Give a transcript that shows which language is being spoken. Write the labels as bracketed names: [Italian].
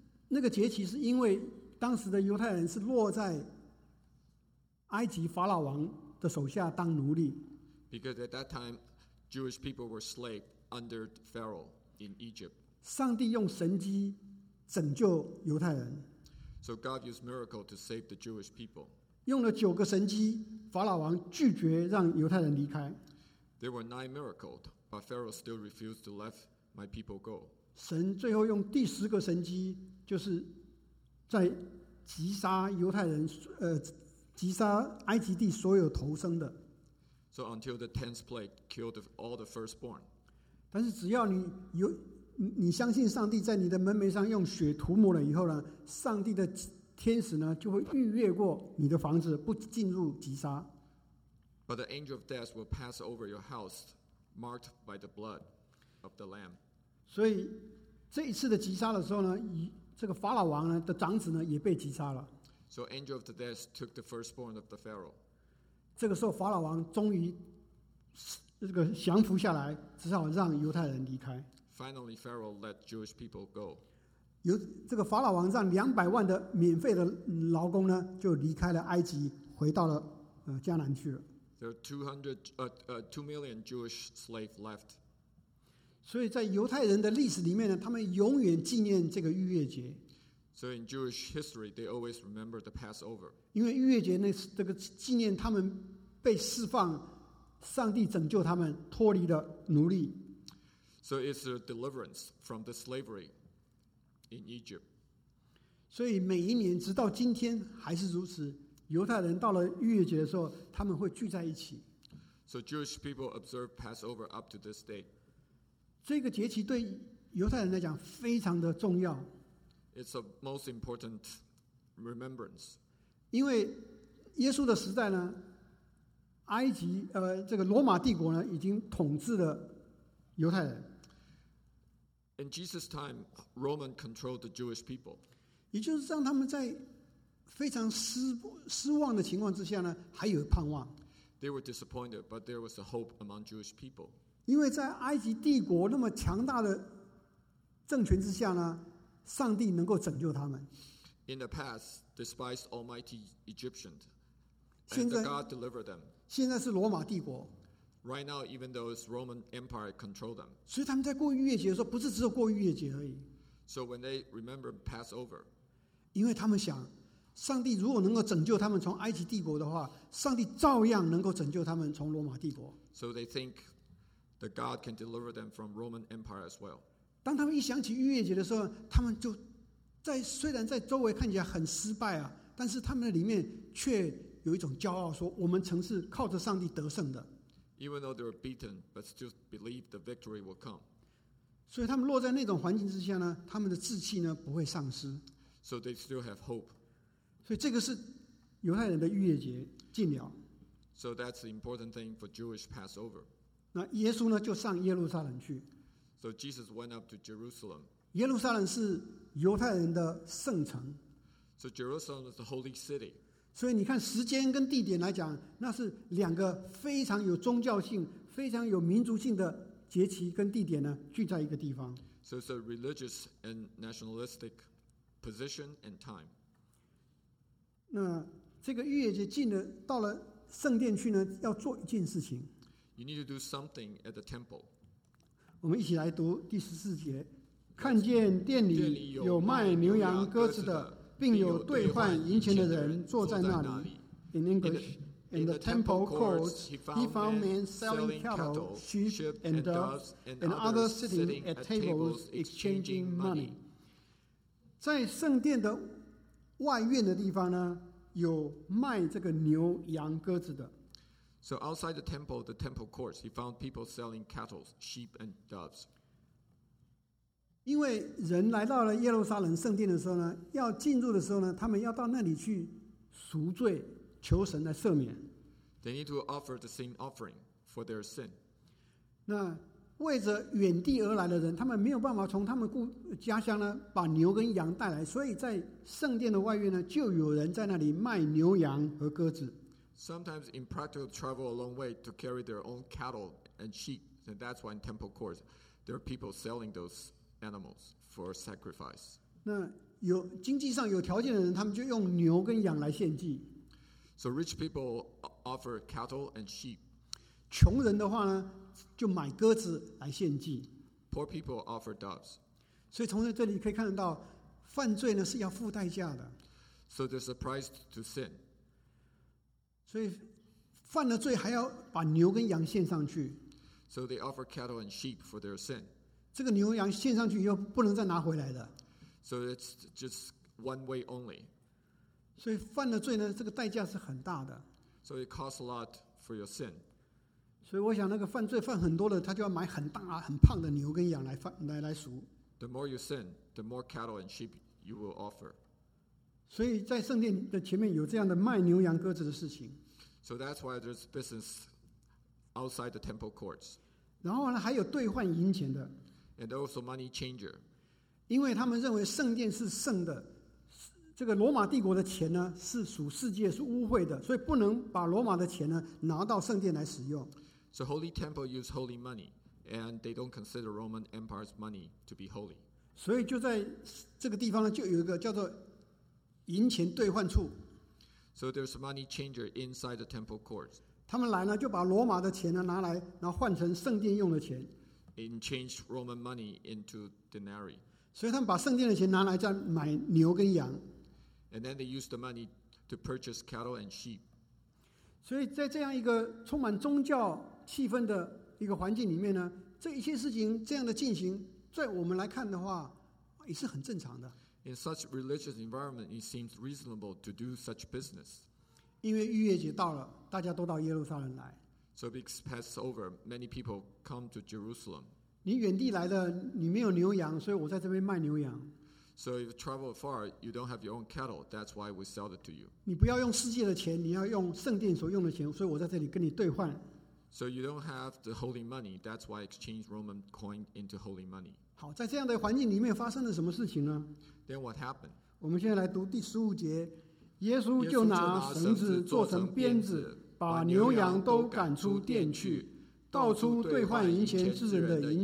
[Chinese] 那个节期是因为当时的犹太人是落在埃及法老王的手下当奴隶。 [English] Because at that time, Jewish people were slaves. Under Pharaoh in Egypt, [Chinese] 上帝用神迹拯救犹太人。 [English] So God used miracle to save the Jewish people. [Chinese] 用了九个神迹，法老王拒绝让犹太人离开。 [English] There were 9 miracles, but Pharaoh still refused to let my people go. [Chinese] 神最后用第十个神迹，就是在击杀犹太人，击杀埃及地所有投生的。 [English] So until the 10th plague killed all the firstborn. [Chinese] 但是只要你相信上帝在你的门楣上用血涂抹了以后呢，上帝的天使呢就会逾越过你的房子，不进入击杀。 [English] But the angel of death will pass over your house, marked by the blood of the lamb. [Chinese] 所以这一次的击杀的时候呢，这个法老王呢的长子呢也被击杀了。 [English] So angel of the death took the firstborn of the Pharaoh. [Chinese] 这个时候法老王终于。这个降服下来，只好让犹太人离开。 [English] Finally, Pharaoh let Jewish people go. [Chinese] 这个法老王让200万的免费的劳工呢，就离开了埃及，回到了迦南去了。 [English] There are 2 million Jewish slaves left. [Chinese] 所以在犹太人的历史里面呢，他们永远纪念这个逾越节。 [English] So in Jewish history, they always remember the Passover. [Chinese] 因为逾越节那这个纪念他们被释放。上帝拯救他们脱离了奴隶。 [English] So it's a deliverance from the slavery in Egypt. [Chinese] 所以每一年直到今天还是如此，犹太人到了逾越节的时候，他们会聚在一起。 [English] So Jewish people observe Passover up to this day. [Chinese] 这个节期对犹太人来讲非常的重要。 [English] It's a most important remembrance. [Chinese] 因为耶稣的时代呢，埃及这个罗马帝国呢已经统治了犹太人。 [English] In Jesus' time, Roman controlled the Jewish people. [Chinese] 也就是让他们在非常失望的情况之下呢，还有盼望。 [English] They were disappointed, but there was a hope among Jewish people. [Chinese] 因为在埃及帝国那么强大的政权之下呢，上帝能够拯救他们。 [English] In the past, despised Almighty Egyptians, and the God delivered them. [Chinese] 现在是罗马帝国。 [English] Right now, even though it's Roman Empire control them. [Chinese] 所以他们在过逾越节的时候，不是只有过逾越节而已。 [English] So when they remember Passover, [Chinese] 因为他们想。上帝如果能够拯救他们从埃及帝国的话，上帝照样能够拯救他们从罗马帝国。 [English] So they think that God can deliver them from Roman Empire as well. [Chinese] 当他们一想起逾越节的时候，他们就在虽然在周围看起来很失败啊，但是他们的里面却有一种骄傲，说我们曾是靠着上帝得胜的。 [English] Even though they were beaten, but still believe the victory will come. [Chinese] 所以他们落在那种环境之下呢，他们的志气呢不会丧失。 [English] So they still have hope. [Chinese] 所以这个是犹太人的逾越节纪念。 [English] So that's the important thing for Jewish Passover. [Chinese] 那耶稣呢就上耶路撒冷去。 [English] So Jesus went up to Jerusalem. [Chinese] 耶路撒冷是犹太人的圣城。 [English] So Jerusalem is the holy city. [Chinese] 所以你看时间跟地点来讲，那是两个非常有宗教性、非常有民族性的节期跟地点呢聚在一个地方。 [English] So it's a religious and nationalistic position and time. [Chinese] 那这个逾越节进了到了圣殿去呢，要做一件事情。 [English] You need to do something at the temple. [Chinese] 我们一起来读第十四节，看见殿里有卖牛羊鸽子的，并有兑换银钱的人坐在那里。 [English] In English, in the temple courts, he found men selling cattle, sheep and doves, and others sitting at tables exchanging money. [Chinese] 在圣殿的外院的地方呢，有卖这个牛羊鸽子的。 [English] So outside the temple, the temple courts, he found people selling cattle, sheep, and doves. [Chinese] 因为人来到了耶路撒冷圣殿的时候呢，要进入的时候呢，他们要到那里去赎罪，求神来赦免。 [English] They need to offer the sin offering for their sin. [Chinese] 那为着远地而来的人，他们没有办法从他们家乡呢把牛跟羊带来，所以在圣殿的外院呢，就有人在那里卖牛羊和鸽子。 [English] Sometimes impractical travel a long way to carry their own cattle and sheep, and that's why in temple courts there are people selling those animals for sacrifice. [Chinese] 那有经济上有条件的人，他们就用牛跟羊来献祭。 [English] So rich people offer cattle and sheep. [Chinese] 穷人的话呢？就买鸽子来献祭。 [English] Poor people offer doves. [Chinese] 所以从这里可以看到，犯罪呢是要付代价的。 [English] So there's a price to sin. [Chinese] 所以犯了罪还要把牛跟羊献上去。 [English] So they offer cattle and sheep for their sin. [Chinese] 这个牛羊献上去又不能再拿回来的。 [English] So it's just one way only. [Chinese] 所以犯了罪呢，这个代价是很大的。 [English] So it costs a lot for your sin. [Chinese] 所以我想那个犯罪犯很多的，他就要买很大很胖的牛跟羊来犯来赎。 [English] The more you sin, the more cattle and sheep you will offer. [Chinese] 所以在圣殿的前面有这样的卖牛羊鸽子的事情。 [English] So that's why there's business outside the temple courts. [Chinese] 然后呢还有兑换银钱的。 [English] And also money changer. [Chinese] 因为他们认为圣殿是圣的，这个罗马帝国的钱呢是属世界是污秽的，所以不能把罗马的钱呢拿到圣殿来使用。 [English] So holy temple use holy money, and they don't consider Roman Empire's money to be holy. [Chinese] 所以就在这个地方呢，就有一个叫做银钱兑换处。 [English] So there's a money changer inside the temple courts. [Chinese] 他们来呢，就把罗马的钱呢拿来，然后换成圣殿用的钱。 [English] And change Roman money into denarii. [Chinese] 所以他们把圣殿的钱拿来再买牛跟羊。 [English] And then they use the money to purchase cattle and sheep. [Chinese] 所以在这样一个充满宗教气氛的一个环境里面呢，这一切事情这样的进行，在我们来看的话，也是很正常的。 [English] In such religious environment, it seems reasonable to do such business. [Chinese] 因为逾越节到了，大家都到耶路撒冷来。 [English] So because Passover, many people come to Jerusalem. [Chinese] 你远地来的，你没有牛羊，所以我在这边卖牛羊。 [English] So if you travel far, you don't have your own cattle. That's why we sell it to you. [Chinese] 你不要用世界的钱，你要用圣殿所用的钱，所以我在这里跟你兑换。 [English] So you don't have the holy money. That's why I exchange Roman coin into holy money. [Chinese] 好，在这样的环境里面发生了什么事情呢？ [English] Then what happened? [Chinese] 我们现在来读第十五节，耶稣就拿绳子做成鞭子，把牛羊都赶出店去，到处兑换银钱之人的银